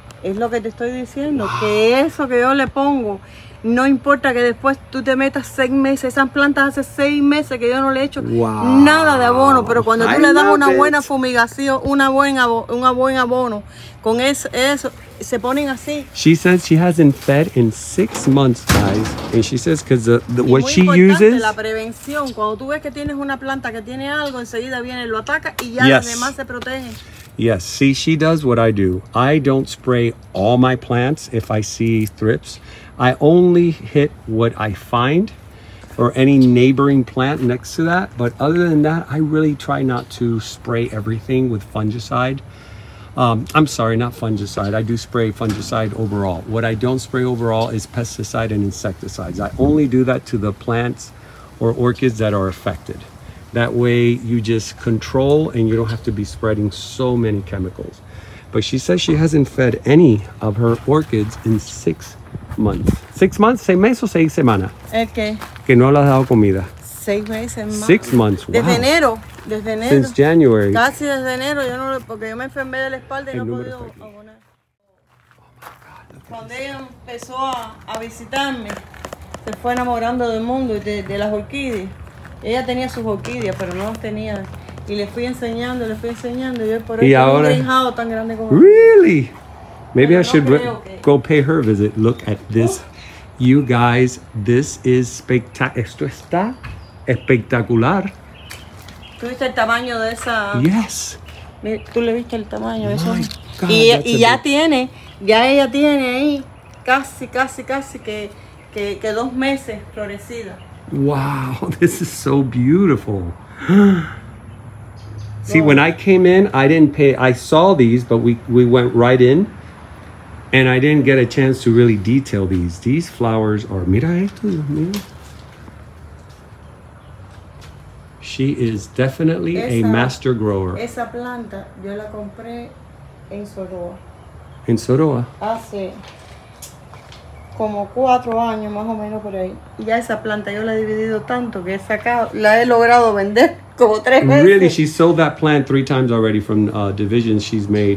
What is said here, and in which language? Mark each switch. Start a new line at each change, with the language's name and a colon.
Spanish: Es lo que te estoy diciendo, wow. Que eso que yo le pongo, no importa que después tú te metas 6 meses, esas plantas hace 6 meses que yo no le he hecho nada de abono, pero cuando tú
English: I
Spanish: le das una
English: it.
Spanish: Buena fumigación, un buen abono, con eso, se ponen así.
English: She says she hasn't fed in 6 months, guys, and she says because the what she uses.
Spanish: La prevención, cuando tú ves que tienes una planta que tiene algo, enseguida viene, lo ataca y ya las demás se protegen.
English: Yes, see, she does what I do. I don't spray all my plants if I see thrips. I only hit what I find or any neighboring plant next to that. But other than that, I really try not to spray everything with fungicide. I'm sorry, not fungicide. I do spray fungicide overall. What I don't spray overall is pesticide and insecticides. I only do that to the plants or orchids that are affected. That way you just control and you don't have to be spreading so many chemicals. But she says she hasn't fed any of her orchids in 6 months. 6 months,
Spanish: 6 meses o 6 semanas?
English: Okay.
Spanish: Que no le has dado comida. 6 meses.
English: 6 months, wow.
Spanish: Desde enero.
English: Since January.
Spanish: Casi desde enero, yo no, porque yo me enfermé de la espalda y no he podido abonar.
English: Oh my God.
Spanish: Cuando ella empezó a visitarme, se fue enamorando del mundo y de las orquídeas. Ella tenía sus orquídeas, pero no las tenía. Y le fui enseñando. Yo por eso ahora, un greenhouse tan grande como...
English: Really? Maybe I should go pay her a visit. Look at this. You guys, this is spectacular.
Spanish: Esto está espectacular. ¿Tú viste el tamaño de esa?
English: Yes.
Spanish: ¿Tú le viste el tamaño de esa?
English: My God,
Spanish: y ya tiene, ya ella tiene ahí casi que 2 meses florecida.
English: Wow, this is so beautiful. See, when I came in, I saw these, but we went right in and I didn't get a chance to really detail these. These flowers are, mira. She is definitely a master grower.
Spanish: Esa planta, yo la compré en Soroa. En Soroa? Hace como 4 años, más o menos por ahí. Ya esa planta yo la he dividido tanto que la he logrado vender.
English: Really, she sold that plant 3 times already from divisions she's made.